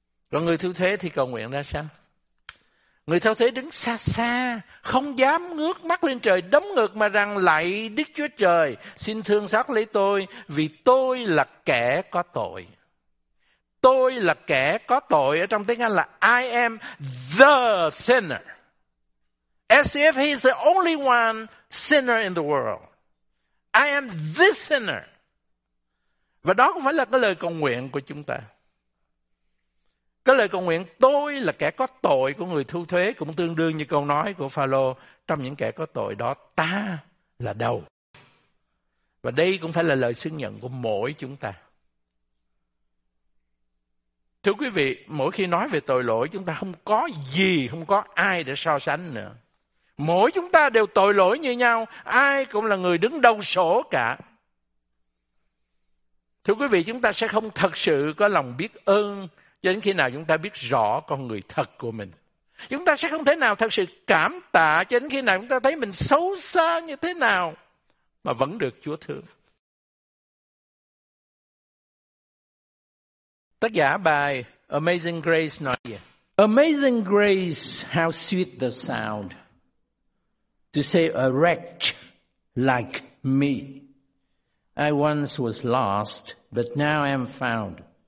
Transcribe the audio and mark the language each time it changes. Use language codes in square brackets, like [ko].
[vi] Còn người thu thuế thì cầu nguyện ra sao? Người thu thuế đứng xa xa, không dám ngước mắt lên trời, đấm ngực mà rằng: lạy Đức Chúa Trời, xin thương xót lấy tôi, vì tôi là kẻ có tội. Tôi là kẻ có tội, ở trong tiếng Anh là [en] I am the sinner. As if he is the only one sinner in the world. I am the sinner. [vi] Và đó không phải là cái lời cầu nguyện của chúng ta. Cái lời cầu nguyện tôi là kẻ có tội của người thu thuế cũng tương đương như câu nói của Phaolô: trong những kẻ có tội đó ta là đầu. Và đây cũng phải là lời xưng nhận của mỗi chúng ta. Thưa quý vị, mỗi khi nói về tội lỗi, chúng ta không có gì, không có ai để so sánh nữa. Mỗi chúng ta đều tội lỗi như nhau, ai cũng là người đứng đầu sổ cả. Thưa quý vị, chúng ta sẽ không thật sự có lòng biết ơn cho đến khi nào chúng ta biết rõ con người thật của mình. Chúng ta sẽ không thể nào thật sự cảm tạ cho đến khi nào chúng ta thấy mình xấu xa như thế nào mà vẫn được Chúa thương. Tác giả bài Amazing Grace nói gì? [en] Amazing Grace, how sweet the sound to say a wretch like me. I once was lost, but now I am found.